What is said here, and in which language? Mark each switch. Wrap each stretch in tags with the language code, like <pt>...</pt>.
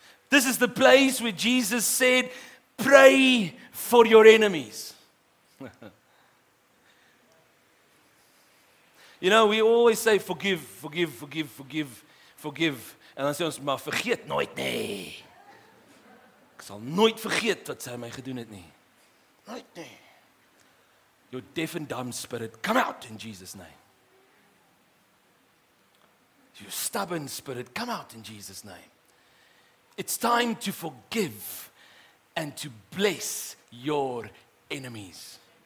<en>This is the place where Jesus said, pray for your enemies. You know, we always say, forgive, forgive, forgive, forgive, forgive.</en> <af>And dan sê ons, maar vergeet nooit nie. Ek sal nooit vergeet wat sy my gedoen het nie. Nooit nie.</af> <en>Your deaf and dumb spirit, come out in Jesus' name. Your stubborn spirit, come out in Jesus' name. It's time to forgive and to bless your enemies.</en>